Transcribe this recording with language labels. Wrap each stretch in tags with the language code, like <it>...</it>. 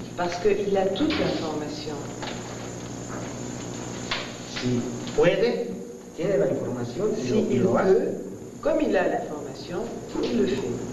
<fr>Parce qu'il a toute l'information.</fr> <es>Si puede, tiene la información.</es> <fr>Si il</fr> <es>lo</es> <fr>peut, comme il a l'information, il le fait.</fr>